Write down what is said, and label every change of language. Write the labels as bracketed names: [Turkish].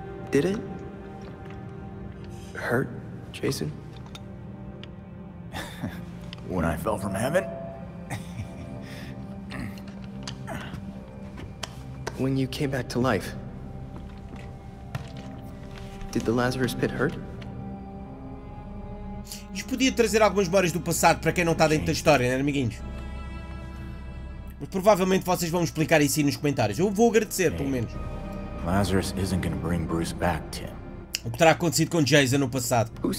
[English] Did it hurt, Jason? When I fell from heaven? When you came back to life? Did the Lazarus pit hurt? [Portuguese] Isto podia trazer algumas memórias do passado para quem não está dentro da história, né, amiguinhos? Mas provavelmente vocês vão explicar isso aí nos comentários. Eu vou agradecer, pelo menos. [English] Lazarus isn't gonna bring Bruce back, Tim. [Portuguese] O que terá acontecido com Jason no passado?